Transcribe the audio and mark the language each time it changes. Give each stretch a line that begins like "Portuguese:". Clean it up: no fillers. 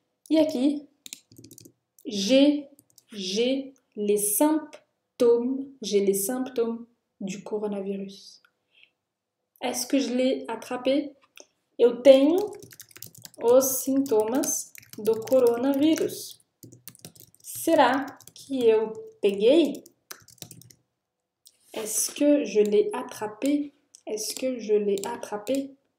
Portuguese: E aqui,
French: j'ai les symptômes du coronavirus. Est-ce que je l'ai attrapé?
Portuguese: Eu tenho os sintomas do coronavírus. Será que eu peguei?
French: Est-ce que je l'ai attrapé? Est-ce que je l'ai attrapé?